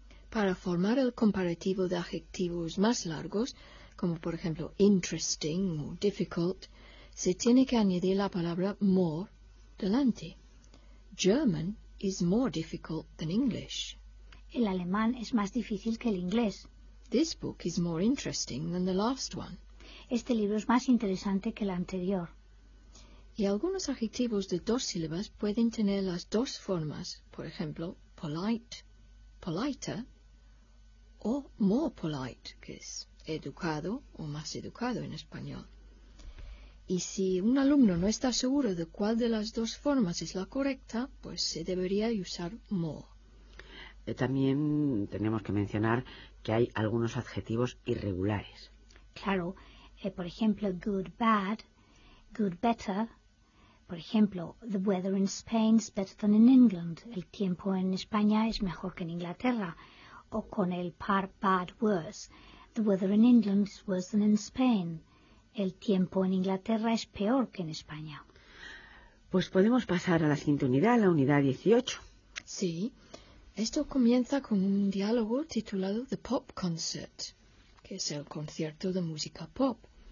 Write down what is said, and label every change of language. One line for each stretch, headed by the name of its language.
Spanish: Para formar el comparativo de adjetivos más largos, como por ejemplo interesting o difficult, se tiene que añadir la palabra more delante.
English: German is more difficult than English.
Spanish: El alemán es más difícil que el inglés.
English: This book is more interesting than the last one.
Spanish: Este libro es más interesante que el anterior. Y algunos adjetivos de dos sílabas pueden tener las dos formas, por ejemplo, polite, politer, o more polite, que es educado o más educado en español. Y si un alumno no está seguro de cuál de las dos formas es la correcta, pues se debería usar more. También tenemos que mencionar que hay algunos adjetivos irregulares. Claro, por ejemplo, good, bad, good, better. Por ejemplo,
English: the weather in Spain is better than in England.
Spanish: El tiempo en España es mejor que en Inglaterra. O con el par bad, worse.
English: The weather in England is worse than in Spain.
Spanish: El tiempo en Inglaterra es peor que en España. Pues podemos pasar a la siguiente unidad, la unidad 18. Sí. Esto comienza con un diálogo titulado The Pop Concert, que es el concierto de música pop.